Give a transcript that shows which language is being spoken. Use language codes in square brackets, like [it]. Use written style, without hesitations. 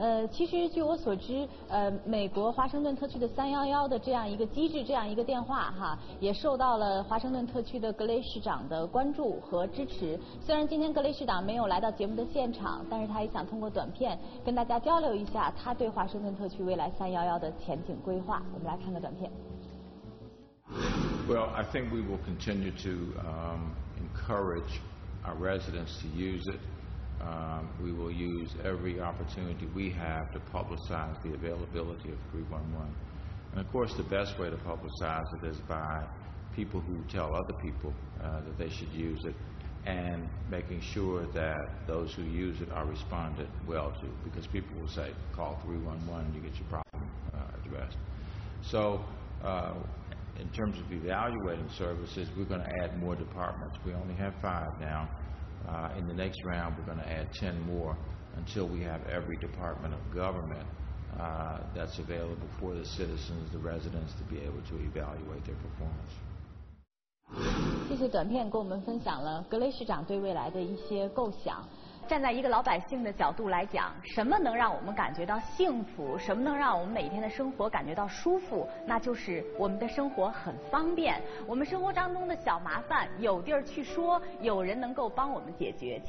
[zh] 其实据我所知，美国华盛顿特区的311的这样一个机制，这样一个电话哈，也受到了华盛顿特区的格雷市长的关注和支持。虽然今天格雷市长没有来到节目的现场，但是他也想通过短片跟大家交流一下他对华盛顿特区未来311的前景规划。我们来看个短片。 [en] Well, I think we will continue to encourage our residents to use it. We will use every opportunity we have to publicize the availability of 311. And of course, the best way to publicize it is by people who tell other people that they should use it and making sure that those who use it are responded well to, because people will say, call 311, you get your problem addressed. So, in terms of evaluating services, we're going to add more departments. We only have 5 now. In the next round, we're going to add 10 more until we have every department of government that's available for the citizens, the residents, to be able to evaluate their performance. [zh] 谢谢短片跟我们分享了格雷市长对未来的一些构想。站在一个老百姓的角度来讲，什么能让我们感觉到幸福，什么能让我们每天的生活感觉到舒服，那就是我们的生活很方便，我们生活当中的小麻烦有地儿去说，有人能够帮我们解决。